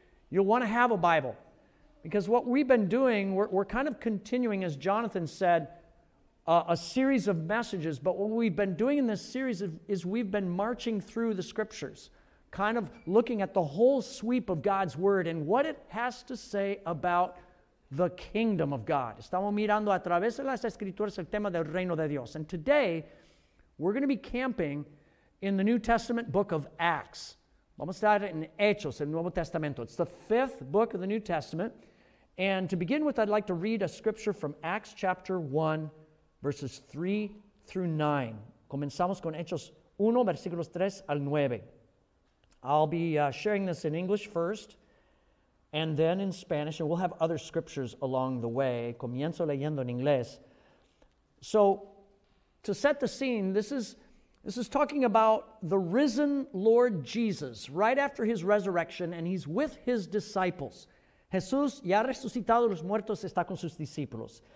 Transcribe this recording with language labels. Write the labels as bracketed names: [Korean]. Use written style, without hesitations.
[English] You'll want to have a Bible, because what we've been doing, we're kind of continuing, as Jonathan said, a series of messages. But what we've been doing in this series is we've been marching through the Scriptures, kind of looking at the whole sweep of God's Word and what it has to say about the kingdom of God. [Spanish] Estamos mirando a través de las Escrituras el tema del reino de Dios. [English] And today, we're going to be camping in the New Testament book of Acts. [Spanish] Vamos a estar en Hechos, el Nuevo Testamento. [English] It's the fifth book of the New Testament. And to begin with, I'd like to read a scripture from Acts chapter 1, verses 3 through 9. [Spanish] Comenzamos con Hechos 1, versículos 3 al 9. [English] I'll be sharing this in English first, and then in Spanish, and we'll have other scriptures along the way. [Spanish] Comienzo leyendo en inglés. [English] So, to set the scene, this is talking about the risen Lord Jesus right after his resurrection, and he's with his disciples. [Spanish] Jesús ya resucitado los muertos está con sus discípulos.